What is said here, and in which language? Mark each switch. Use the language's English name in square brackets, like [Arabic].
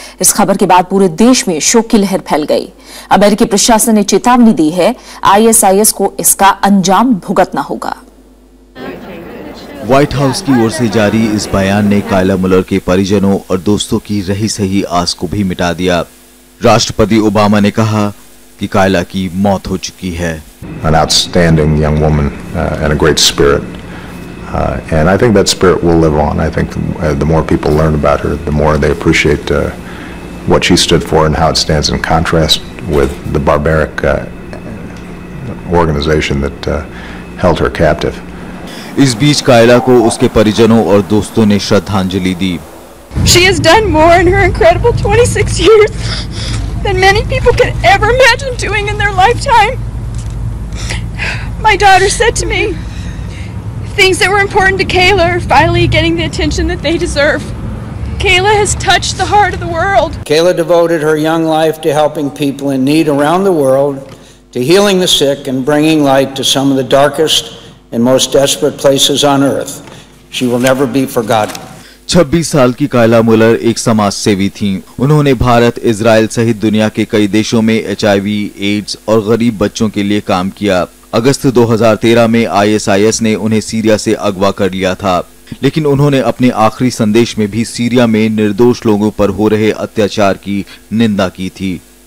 [Hindi] इस खबर के बाद पूरे देश में शोक की लहर फैल गई। अमेरिकी प्रशासन ने चेतावनी दी है, आईएसआईएस को इसका अंजाम भुगतना होगा। व्हाइट हाउस की ओर से जारी इस बयान ने कायला मुलर के परिजनों और दोस्तों की रही सही आस को भी मिटा दिया। राष्ट्रपति ओबामा ने कहा कि कायला की मौत हो चुकी है। [English] An outstanding young woman and a great spirit. And I think that spirit will live on. I think the more people learn about her, the more they appreciate what she stood for and how it stands in contrast with the barbaric organization that held her captive. [Hindi] इस बीच Kayla को उसके परिजनों और दोस्तों ने श्रद्धांजलि दी। [English] She has done more in her incredible 26 years than many people could ever imagine doing in their lifetime. My daughter said to me, things that were important to Kayla are finally getting the attention that they deserve. Kayla has touched the heart of the world. Kayla devoted her young life to helping people in need around the world, to healing the sick and bringing light to some of the darkest and most desperate places on earth. She will never be forgotten. [Hindi] 26 साल की Kayla मुलर एक समाज सेवी थीं। उन्होंने Bharat, Israel सहित दुनिया के कई देशों में HIV, AIDS और गरीब बच्चों के लिए काम किया। अगस्त 2013 में ISIS ने उन्हें सीरिया से अगवा कर लिया था, लेकिन उन्होंने अपने आखिरी संदेश में भी सीरिया में निर्दोष लोगों पर हो रहे अत्याचार की निंदा की थी।